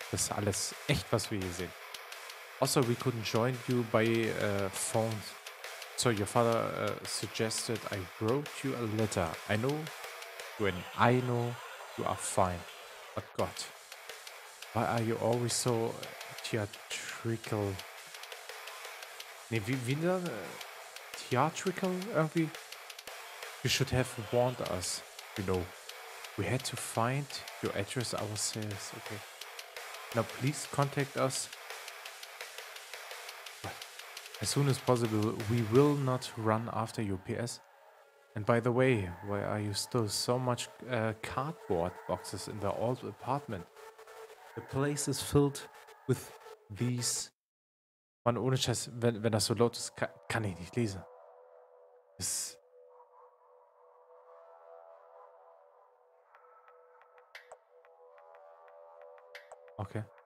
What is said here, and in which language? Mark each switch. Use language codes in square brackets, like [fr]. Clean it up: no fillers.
[de] Das ist alles echt, was wir hier sehen. [en] Also, we couldn't join you by phone. So your father suggested I wrote you a letter. I know you are fine. But God, why are you always so theatrical? [de] Theatrical, irgendwie? [en] You should have warned us, you know. We had to find your address ourselves, okay. Now please contact us. As soon as possible, we will not run after you, P.S. And by the way, why are you still so much cardboard boxes in the old apartment? The place is filled with these. [de] Man, ohne Scheiß, wenn das so laut ist, kann ich nicht lesen. Okay.